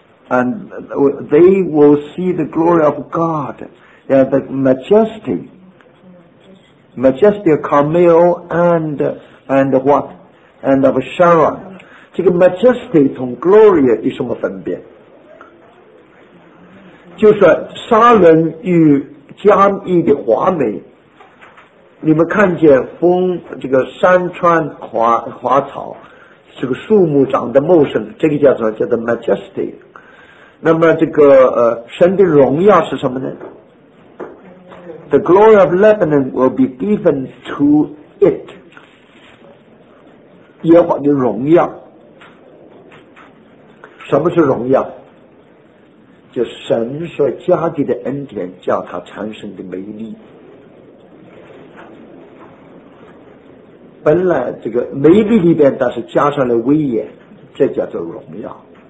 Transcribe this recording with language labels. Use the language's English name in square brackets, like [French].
[English] And they will see the glory of God, and the majesty, majesty of Carmel and what, and of Sharon. [Chinese] 这个 majesty 同 glory 有什么分别？就是沙伦与加密的华美，你们看见风，这个山川华草，这个树木长得茂盛，这个叫做majesty。那么这个神的荣耀是什么呢？ [English] The glory of Lebanon will be given to it. [Chinese] 耶和华的荣耀，什么是荣耀？就神所加给的恩典，叫它产生的美丽。本来这个美丽里边，但是加上了威严，这叫做荣耀。